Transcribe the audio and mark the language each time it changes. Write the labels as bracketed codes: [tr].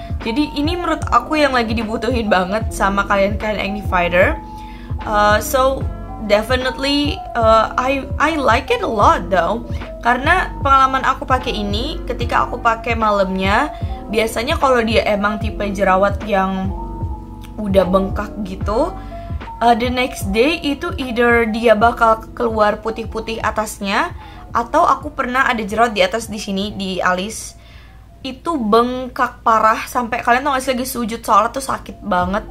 [id] Jadi ini menurut aku yang lagi dibutuhin banget sama kalian-kalian acne fighter. [en] So definitely I like it a lot though. [id] Karena pengalaman aku pakai ini, ketika aku pakai malamnya, biasanya kalau dia emang tipe jerawat yang udah bengkak gitu, [en] the next day [id] itu either dia bakal keluar putih-putih atasnya, atau aku pernah ada jerawat di atas di sini di alis, itu bengkak parah sampai kalian tau gak sih, lagi sujud sholat tuh sakit banget.